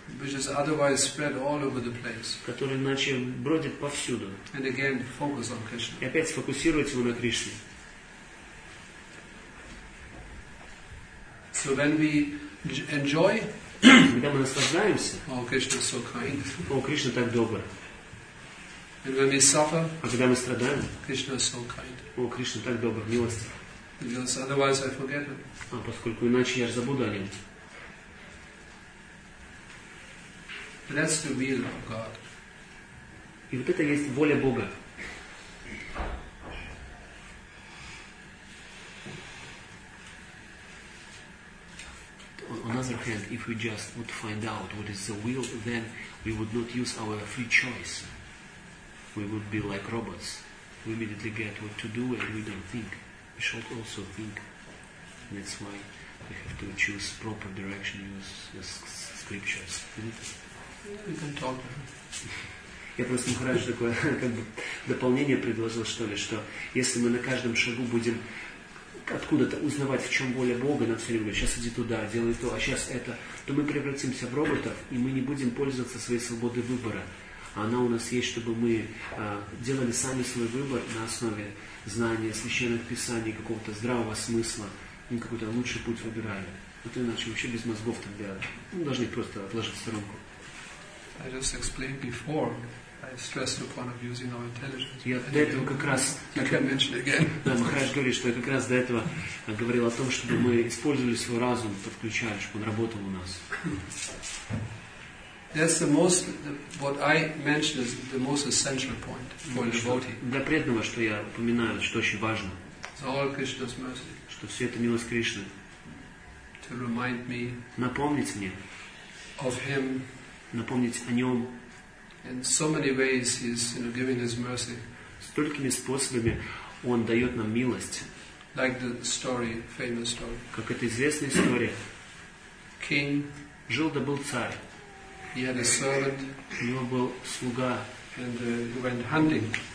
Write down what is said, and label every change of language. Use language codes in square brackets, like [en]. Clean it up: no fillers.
[en] which is otherwise spread all over the place, [ru] которое иначе бродит повсюду, [en] and again focus on Krishna. [ru] И опять сфокусировать его на Кришне. [en] So when we enjoy, [ru] когда мы наслаждаемся, [en] oh, Krishna is so kind. [ru] О, Кришна так добр. [en] And when we suffer, [ru] а когда мы страдаем, [en] Krishna is so kind. [ru] О, Кришна так добр, милостив. [en] Because otherwise I forget him. [ru] А поскольку иначе я же забуду о нем. [en] That's the will of God. [ru] И вот это есть воля Бога. [en] On the other hand, if we just would find out what is the will, then we would not use our free choice. We would be like robots. We immediately get what to do and we don't think. We should also think. And that's why we have to choose proper direction, use scriptures. Isn't it? We can talk. [ru] Я просто Махарадж такое как бы дополнение предложил, что ли, что если мы на каждом шагу будем откуда-то узнавать, в чем воля Бога, нам все время говорят, сейчас иди туда, делай то, а сейчас это, то мы превратимся в роботов, и мы не будем пользоваться своей свободой выбора. Она у нас есть, чтобы мы делали сами свой выбор на основе знания, священных писаний, какого-то здравого смысла, и какой-то лучший путь выбирали. А то иначе вообще без мозгов тогда мы должны просто отложить в сторонку. [en] I just explained before. I stressed the point of using our intelligence. [ru] Я до этого как раз. [en] You can mention again. [ru] Да, Махарадж говорит, что я как раз до этого говорил о том, чтобы мы использовали свой разум, подключали, чтобы он работал у нас. [en] That's the most. What I mentioned is the most essential point for devotee. [ru] Для преданного, что я упоминаю, что очень важно. [en] It's all Krishna's mercy. [ru] Что все это милость Кришны. [en] To remind me. [ru] Напомнить мне. [en] Of him. [ru] Напомнить о нем. [en] In so many ways he's, you know, giving his mercy. [ru] Столькими способами он дает нам милость. [en] Like the story, famous story. [ru] Как эта известная история. [en] King. [ru] Жил да был царь. [en] He had a servant. [ru] У него был слуга. [en] And he went hunting.